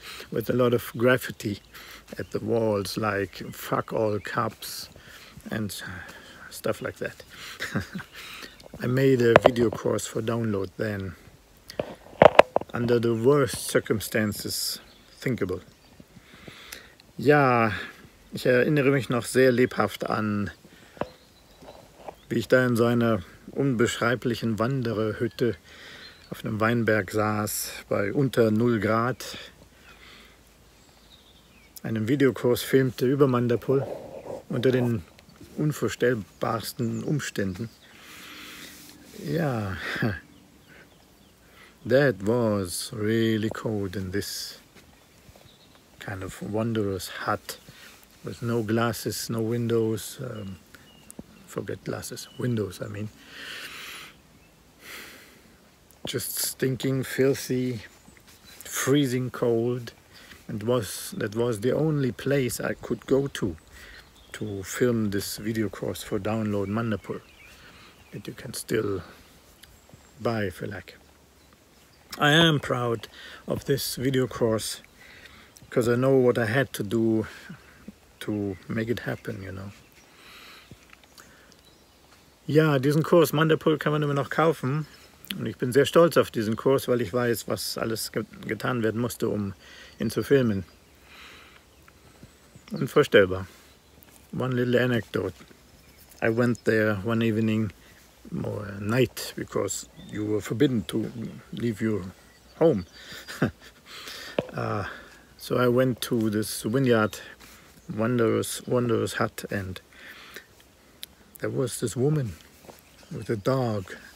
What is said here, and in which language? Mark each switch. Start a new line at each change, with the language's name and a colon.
English: With a lot of graffiti at the walls, like fuck all cops and stuff like that. I made a video course for download then, under the worst circumstances thinkable.
German: Ja, ich erinnere mich noch sehr lebhaft an, wie ich da in so einer unbeschreiblichen Wandererhütte auf einem Weinberg saß, bei unter 0 Grad, einen Videokurs filmte über Mandapul unter den unvorstellbarsten Umständen.
English: Ja, that was really cold in this kind of wanderer's hut with no glasses, no windows, windows I mean. Just stinking, filthy, freezing cold. And that was the only place I could go to film this video course for download Mandapul. That you can still buy if you like. I am proud of this video course because I know what I had to do to make it happen, you know.
German: Ja, diesen Kurs Mandapul kann man immer noch kaufen. Und ich bin sehr stolz auf diesen Kurs, weil ich weiß, was alles getan werden musste, um ihn zu filmen. Unvorstellbar.
English: One little anecdote. I went there one evening, or night, because you were forbidden to leave your home. So I went to this vineyard, wondrous hut, and there was this woman with a dog.